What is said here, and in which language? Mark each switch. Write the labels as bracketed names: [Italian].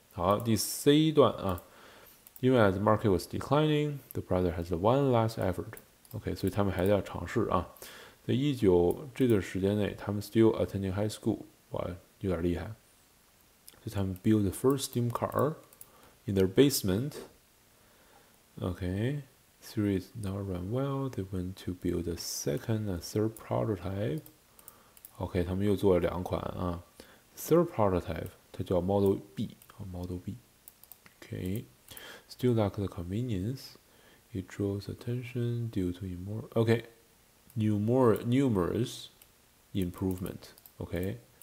[Chinese] 好，第 C 段啊，因为 [English] the market was declining, the brother has one last effort. [Chinese] OK， 所以他们还在尝试啊。在19这段时间内，他们 [English] still attending high school， [Chinese] 哇，有点厉害。所以他们 [English] build the first steam car in their basement. OK， series not run well. They went to build a second and third prototype. [Chinese] OK， 他们又做了两款啊。 [English] Third prototype， 它叫 Model B。Model B. Okay. Still lack the convenience. It draws attention due to numerous improvement. Okay.